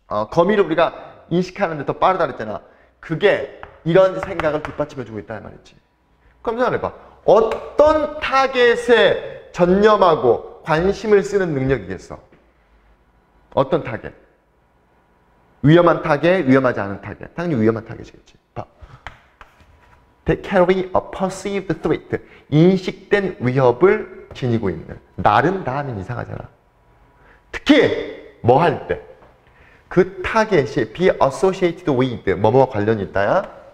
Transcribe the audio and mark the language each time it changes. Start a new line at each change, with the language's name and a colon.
Korean: 거미를 우리가 인식하는데 더 빠르다 그랬잖아. 그게 이런 생각을 뒷받침해주고 있다 말이지. 그럼 생각해봐. 어떤 타겟에 전념하고 관심을 쓰는 능력이겠어? 어떤 타겟? 위험한 타겟, 위험하지 않은 타겟. 당연히 위험한 타겟이겠지.
English: They carry a perceived threat.
Korean: 인식된 위협을 지니고 있는. 나름 다 하면 이상하잖아. 특히 뭐 할 때? 그 타겟이
English: be associated with
Korean: 뭐뭐와 관련이 있다야?